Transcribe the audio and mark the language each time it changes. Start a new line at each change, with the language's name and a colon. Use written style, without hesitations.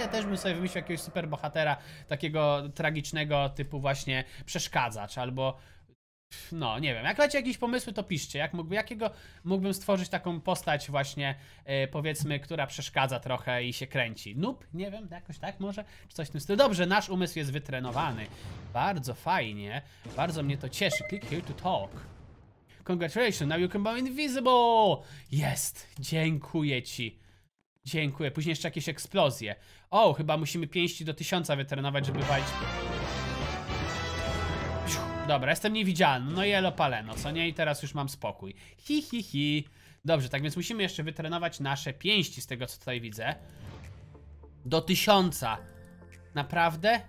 Polish: Ja też bym sobie wymyślił jakiegoś super bohatera takiego tragicznego typu właśnie przeszkadzacz albo... No, nie wiem. Jak macie jakieś pomysły, to piszcie. Jakiego mógłbym stworzyć taką postać właśnie, powiedzmy, która przeszkadza trochę i się kręci. Noob? Nie wiem. Jakoś tak może? Czy coś w tym stylu? Dobrze, nasz umysł jest wytrenowany. Bardzo fajnie. Bardzo mnie to cieszy.
English: Click here to talk. Congratulations, now you can become invisible!
Polish: Jest! Dziękuję ci. Dziękuję. Później jeszcze jakieś eksplozje. O, chyba musimy pięści do 1000 wytrenować, żeby walić. Dobra, jestem niewidzialny. No i elopaleno, co nie? I teraz już mam spokój. Hi, hi, hi. Dobrze, tak więc musimy jeszcze wytrenować nasze pięści z tego, co tutaj widzę. Do 1000. Naprawdę?